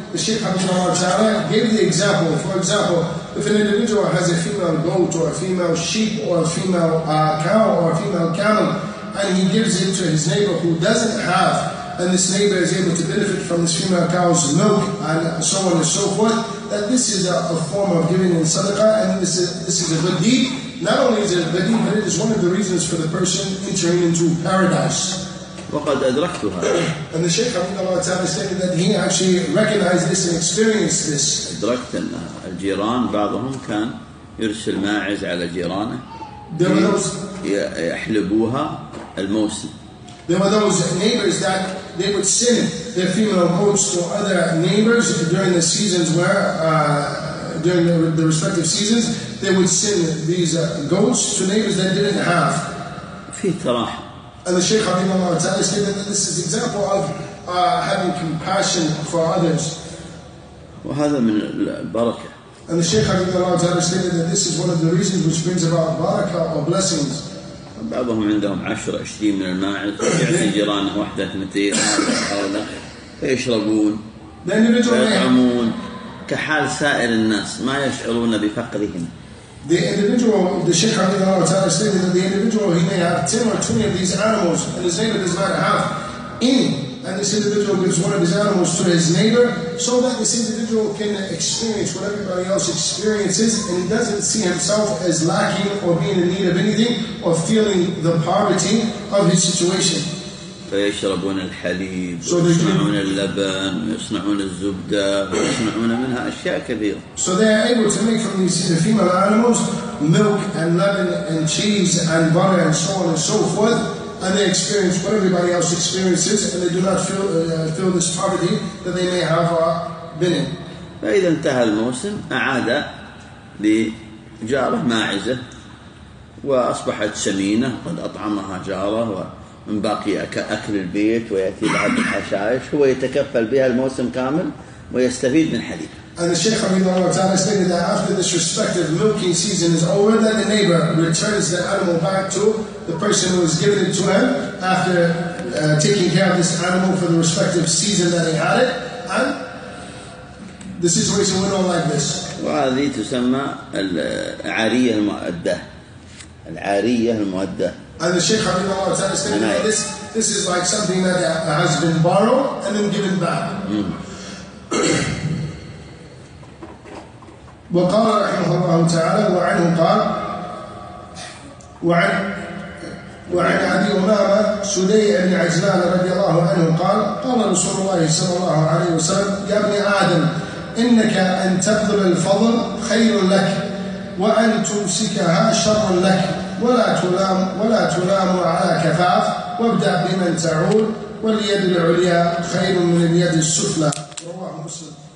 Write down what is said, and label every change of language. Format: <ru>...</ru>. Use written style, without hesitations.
<en>The Shaykh Hafidhullah Ta'ala gave the example. For example, if an individual has a female goat or a female sheep or a female cow or a female camel, and he gives it to his neighbor who doesn't have, and this neighbor is able to benefit from this female cow's milk and so on and so forth, that this is a form of giving in sadaqah, and this is a good deed. Not only is it a good deed, but it is one of the reasons for the person entering into paradise. And the Shaykh Hafidhullah Ta'ala stated that he actually recognized this and experienced this.</en> <ar>أدركت أن الجيران بعضهم كان يرسل ماعز على جيرانه.</ar> <en>There were those</en> <ar>يحلبوها الموسم.</ar> <en>There were those neighbors that they would send their female goats to other neighbors during the seasons where during the respective seasons. They would send these goats to neighbors that didn't have.</en> <ar>فيه تراح.</ar> <en>And the Shaykh Hafidhullah Ta'ala stated that this is an example of having compassion for others.</en> <ar>وهذا من البركة.</ar> <en>And the Shaykh Hafidhullah Ta'ala stated that this is one of the reasons which brings about baraka or blessings.</en> <ar>بعضهم عندهم 10-20 من الماعز يعطي جيرانه 1-2 هؤلاء فيشربون فيطعمون كحال سائر الناس ما يشعرون بفقرهم.</ar> <en>The individual, the Sheikh Hamidullah Ta'ala stated that the individual, he may have 10 or 20 of these animals, and his neighbor does not have any. And this individual gives one of his animals to his neighbor, so that this individual can experience what everybody else experiences, and he doesn't see himself as lacking or being in need of anything, or feeling the poverty of his situation.</en> <ar>فيشربون الحليب ويصنعون اللبن ويصنعون الزبدة ويصنعون منها أشياء كبيرة.</ar> <en>So they are able to make from these female animals milk and lemon and cheese and butter and so on and so forth, and they experience what everybody else experiences, and they do not feel this poverty that they may have been in.</en> <ar>فإذا انتهى الموسم أعاد لجارة ماعزة وأصبحت سمينة قد أطعمها جارة و من باقي أكل البيت ويأتي بعض الحشائش هو يتكفل بها الموسم كامل ويستفيد من حليب.</ar> <en>And the Sheikh Hamidullah Ta'ala stated that after this respective milking season is over, then the neighbor returns the animal back to the person who has given it to him after taking care of this animal for the respective season that he had it, and the situation went on like this.</en> <ar>وهذه تسمى العارية المؤدة. العارية المؤدة.</ar> <en>And the Shaykh Habibullah Ta'ala stated that this is like something that has been borrowed and then given back.</en> <ar>وقال رحمه الله تعالى وعنه قال وعن أبي أمامة سدي بن عجلان رضي الله عنه قال قال رسول الله صلى الله عليه وسلم يا ابن آدم إنك أن تبذل الفضل خير لك وأن تمسكها شر لك ولا تلام على كفاف وابدأ بمن تعود واليد العليا خير من اليد السفلى رواه مسلم.</ar>